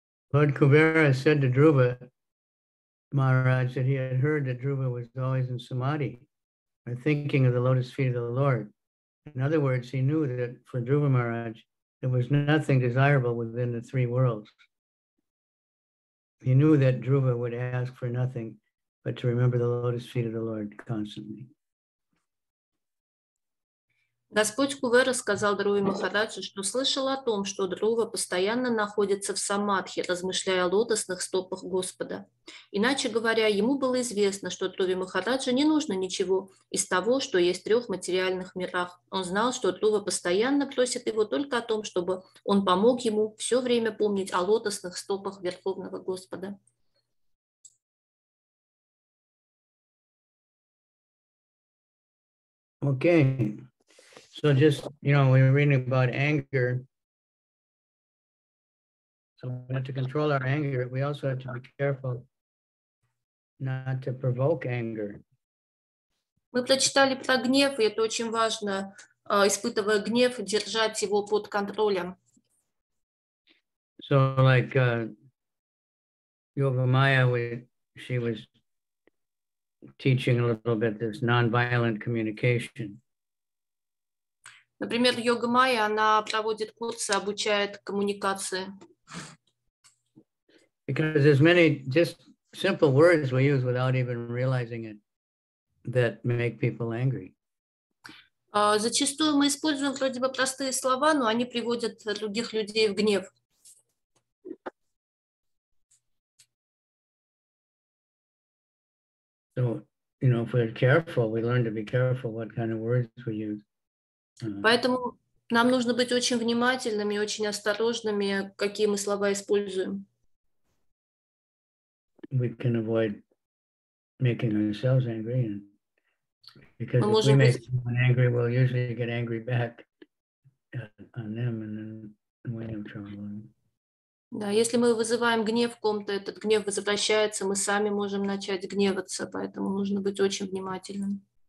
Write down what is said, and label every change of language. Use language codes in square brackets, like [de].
[en] Lord Kuvera said to Dhruva Maharaj that he had heard that Dhruva was always in samadhi, or thinking of the lotus feet of the Lord. In other words, he knew that for Dhruva Maharaj, there was nothing desirable within the three worlds. He knew that Dhruva would ask for nothing but to remember the lotus feet of the Lord constantly. [ru] Господь Кувера сказал Дхруве Махараджу, что слышал о том, что Дхрува постоянно находится в самадхи, размышляя о лотосных стопах Господа. Иначе говоря, ему было известно, что Дхруве Махараджу не нужно ничего из того, что есть в трех материальных мирах. Он знал, что Дхрува постоянно просит его только о том, чтобы он помог ему все время помнить о лотосных стопах Верховного Господа. Окей. Okay. [en] So just, you know, we're reading about anger. So we have to control our anger. We also have to be careful not to provoke anger. [ru] Мы прочитали про гнев, и это очень важно, испытывая гнев, держать его под контролем. [en] So like Yoga Maya, she was teaching a little bit this non-violent communication. [ru] Например, Йога Майя, она проводит курсы, обучает коммуникации. [en] Because there's many just simple words we use without even realizing it that make people angry. [ru] Зачастую мы используем вроде бы простые слова, но они приводят других людей в гнев. [en] So, you know, if we're careful, we learn to be careful what kind of words we use. [ru] Поэтому нам нужно быть очень внимательными и очень осторожными, какие мы слова используем. [en] We can avoid making ourselves angry. Because [ru] мы можем [en] if we make someone angry, we'll usually get angry back on them, and then we have trouble. [ru] Да, если мы вызываем гнев в ком-то, этот гнев возвращается, мы сами можем начать гневаться, поэтому нужно быть очень внимательным.